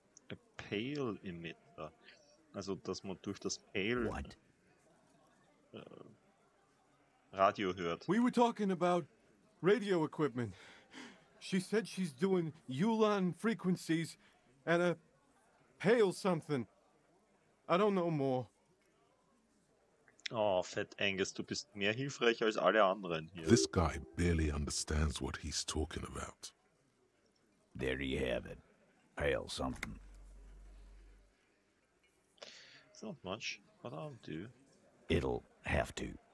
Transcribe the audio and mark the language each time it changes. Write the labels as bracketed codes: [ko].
[en] A pale emitter? [de] Also, dass man durch das Pale... [en] What? [de] Radio hört. [en] We were talking about radio equipment. She said she's doing Yulon frequencies and a pale something. I don't know more. [de] Oh, fett Angus, du bist mehr hilfreich als alle anderen hier. [en] This guy barely understands what he's talking about. There you have it. Pale something. It's not much, but I'll do. It'll have to.